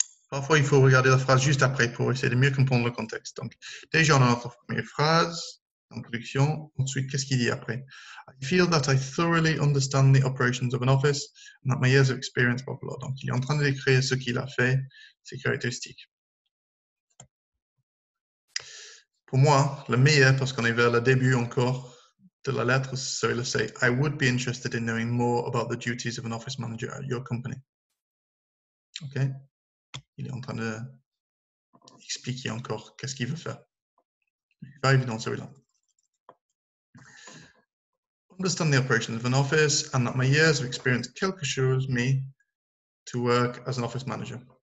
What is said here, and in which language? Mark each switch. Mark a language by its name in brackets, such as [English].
[French] Parfois, il faut regarder la phrase juste après pour essayer de mieux comprendre le contexte. Donc, déjà, on a notre première phrase. Introduction. Ensuite, qu'est-ce qu'il dit après? [English] I feel that I thoroughly understand the operations of an office and that my years of experience blah, blah. [French] Donc, il est en train de décrire ce qu'il a fait, ses caractéristiques. Pour moi, le meilleur, parce qu'on est vers le début encore de la lettre, c'est le say. [English] I would be interested in knowing more about the duties of an office manager at your company. [French] OK? Il est en train de expliquer encore qu'est-ce qu'il veut faire. Il arrive dans celui-là. [English] Understand the operations of an office and that my years of experience [French] quelque [English] shows me to work as an office manager.